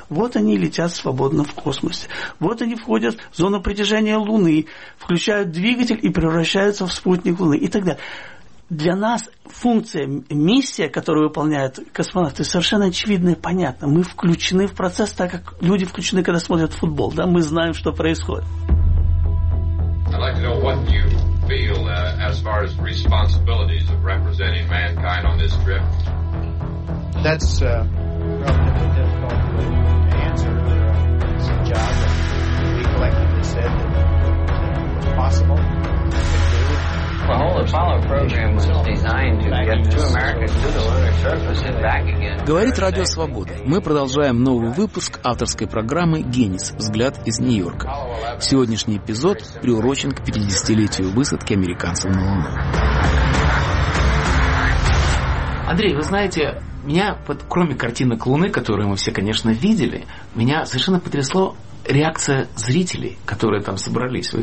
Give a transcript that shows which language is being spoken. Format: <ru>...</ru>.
<ru>Вот они летят свободно в космосе. Вот они входят в зону притяжения Луны, включают двигатель и превращаются в спутник Луны и так далее. Для нас функция, миссия, которую выполняют космонавты, совершенно очевидна и понятна. Мы включены в процесс, так как люди включены, когда смотрят футбол. Да? Мы знаем, что происходит.</ru> <en>I'd like to know what you feel as far as responsibilities of representing mankind on this trip. That's probably a difficult way to answer. It's a job that we collectively said that was possible. The whole Apollo program was designed to get two Americans to the lunar surface and back again.</en> <ru>Говорит Радио Свобода. Мы продолжаем новый выпуск авторской программы «Генис. Взгляд из Нью-Йорка». Сегодняшний эпизод приурочен к 50-летию высадки американцев на Луну. Андрей, вы знаете, меня, кроме картинок Луны, которые мы все, конечно, видели, меня совершенно потрясло реакция зрителей, которые там собрались.</ru>